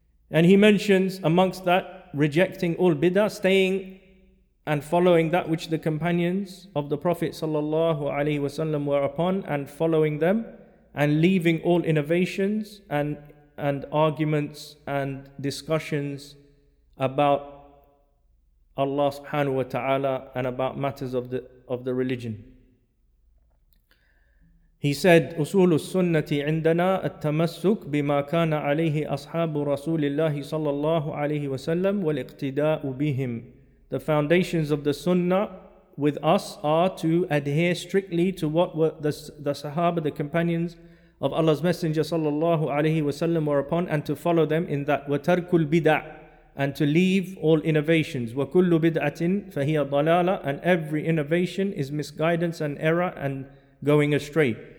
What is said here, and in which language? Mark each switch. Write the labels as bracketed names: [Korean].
[English] And he mentions amongst that, rejecting all bid'ah, staying and following that which the companions of the Prophet sallallahu alaihi wasallam were upon, and following them, and leaving all innovations and arguments and discussions about Allah subhanahu wa ta'ala and about matters of the religion. [Arabic] He said, أصول السنة عندنا التمسك بما كان عليه أصحاب رسول الله صلى الله عليه وسلم والاقتداء بهم. [English] The foundations of the sunnah with us are to adhere strictly to what were the Sahaba, the companions of Allah's Messenger [Arabic] صلى الله عليه وسلم [English] were upon, and to follow them in that. [Arabic] وترك البدع, [English] and to leave all innovations. [Arabic] وكل بدعة فهي ضلالة, [English] and every innovation is misguidance and error and going astray.